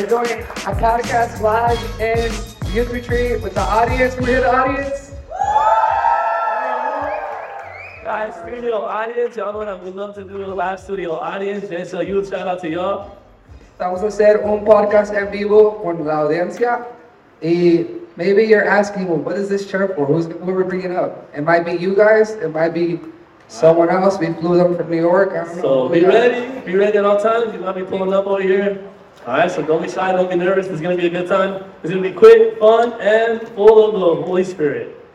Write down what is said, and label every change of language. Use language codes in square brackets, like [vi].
[en] We're doing a podcast live in Youth Retreat with the audience. We're here, the audience. Guys, studio audience, y'all know that we love to do a live studio audience. And so, huge shout out to y'all. [es] Vamos a hacer un podcast en vivo con la audiencia. [en] Maybe you're asking, well, what is this chirp for? Who are we bringing up? It might be you guys. It might be someone else. We flew them from New York. Be ready at all times. You might be pulling up over here. All right, so don't be shy. Don't be nervous. It's going to be a good time. It's going to be quick, fun, and full of the Holy Spirit.